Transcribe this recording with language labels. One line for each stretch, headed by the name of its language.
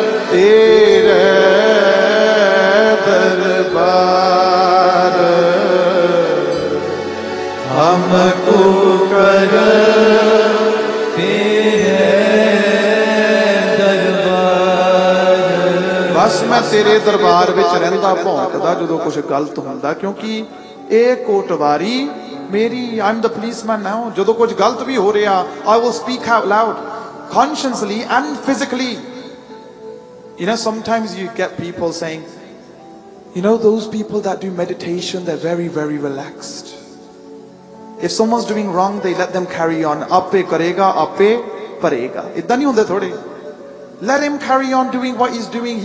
Punjabi: ਤੇਰੇ ਦਰਬਾਰ, ਹਮਕੋ ਕਰ ਤੇਰੇ ਦਰਬਾਰ. ਬਸ ਮੈਂ ਤੇਰੇ ਦਰਬਾਰ ਵਿੱਚ ਰਹਿੰਦਾ ਭੌਂਕਦਾ ਜਦੋਂ ਕੁਛ ਗਲਤ ਹੁੰਦਾ, ਕਿਉਂਕਿ ਇਹ ਕੋਟਵਾਰੀ ਮੇਰੀ,
English: I am the policeman now.
Punjabi: ਜਦੋਂ ਕੁਛ ਗਲਤ ਵੀ ਹੋ ਰਿਹਾ,
English: I will speak out loud consciously and physically. You know, sometimes you get people saying, you know, those people that do meditation, they're very, very relaxed. If someone's doing wrong, they let them carry on.
Punjabi: Appe karega, appe parega. Idda nahi hunde thode.
English: Let him carry on doing what he's doing.